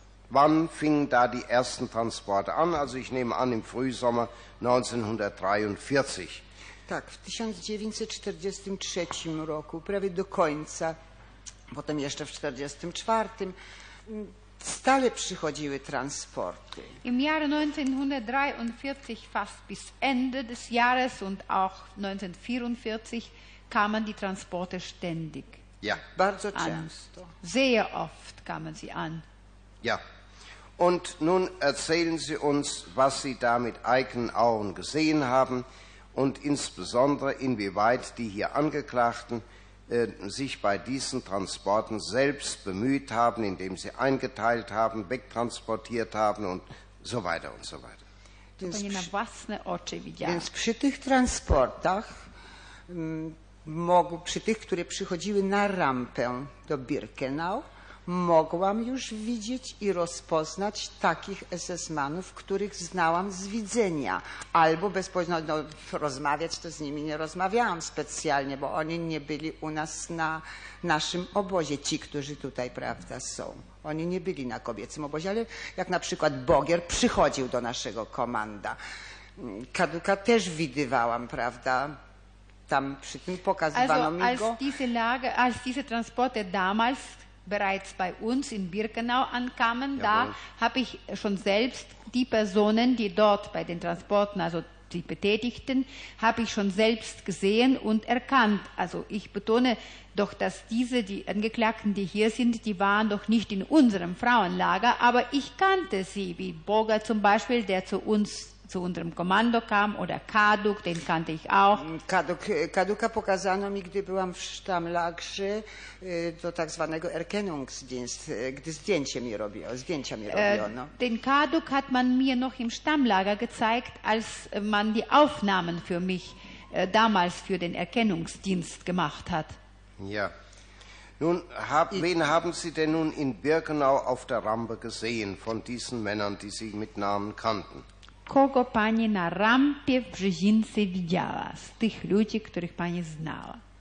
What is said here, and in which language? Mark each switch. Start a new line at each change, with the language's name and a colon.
German: Wann fingen da die ersten Transporte an? Also ich nehme an, im Frühsommer 1943.
Polish: Tak, w 1943 roku, prawie do końca, potem jeszcze w 1944, stale przychodziły transporty.
German: Im Jahre 1943, fast bis Ende des Jahres und auch 1944, kamen die Transporte ständig. Ja.
Polish: Bardzo często.
German: Sehr oft kamen sie an. Ja. Und nun erzählen Sie uns, was Sie da mit eigenen Augen gesehen haben. Und insbesondere, inwieweit die hier Angeklagten sich bei diesen Transporten selbst bemüht haben, indem sie eingeteilt haben, wegtransportiert haben und so weiter und so weiter.
Polish: To pani na własne oczy widziała. Więc przy tych transportach, przy tych, które przychodziły na rampę do Birkenau, mogłam już widzieć i rozpoznać takich SS-manów, których znałam z widzenia. Albo bezpośrednio, no, rozmawiać to z nimi nie rozmawiałam specjalnie, bo oni nie byli u nas na naszym obozie, ci, którzy tutaj, prawda, są. Oni nie byli na kobiecym obozie, ale jak na przykład Bogier przychodził do naszego komanda. Kaduka też widywałam, prawda. Tam przy tym pokazywano mi go.
German: Also, als diese Transporte damals bereits bei uns in Birkenau ankamen, da habe ich schon selbst die Personen, die dort bei den Transporten, also die Betätigten, habe ich schon selbst gesehen und erkannt. Also ich betone doch, dass diese, die Angeklagten, die hier sind, die waren doch nicht in unserem Frauenlager, aber ich kannte sie, wie Boga zum Beispiel, der zu uns, zu unserem Kommando kam, oder Kaduk, den kannte ich auch.
Polish: Kaduka pokazano mi, gdy byłam w Sztamlagrze, do tak zwanego Erkennungsdienst, gdy zdjęcia mi robiono.
German: Den Kaduk hat man mir noch im Stammlager gezeigt, als man die Aufnahmen für mich damals für den Erkennungsdienst gemacht hat. Ja. Nun, wen haben Sie denn nun in Birkenau auf der Rampe gesehen, von diesen Männern, die Sie mit Namen kannten?
Polish: Kogo pani na rampie w Brzezince widziała, z tych ludzi, których pani znała?